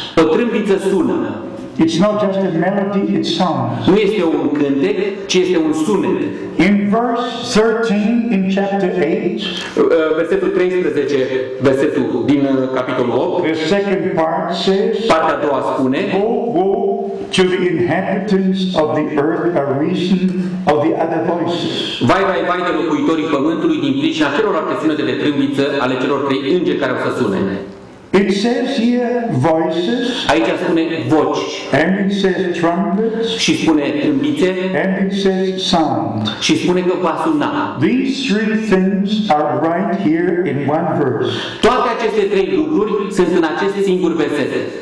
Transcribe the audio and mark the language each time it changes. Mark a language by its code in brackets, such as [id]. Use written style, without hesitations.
[ro] O trâmbiță sună. [en] It's not just a melody, it sounds. [ro] Nu este un cântec, ci este un sunet. [en] In verse 13 in chapter 8, [ro] versetul 13, versetul din capitolul 8, [en] the second part says, [ro] partea a doua spune, [en] to the inhabitants of the earth arisen of the other voices. [ro] Vai, vai, vai de locuitorii pământului din pricina celor acțiunile de trâmbiță ale celor trei îngeri care o să sune. [en] It says here voices. [ro] Aici spune voci. [en] And it says trumpets. [ro] Și spune trâmbițe. [en] And it says sound. [ro] Și spune că va suna. [en] These three things are right here in one verse. [ro] Toate aceste trei lucruri sunt în acest singur verset.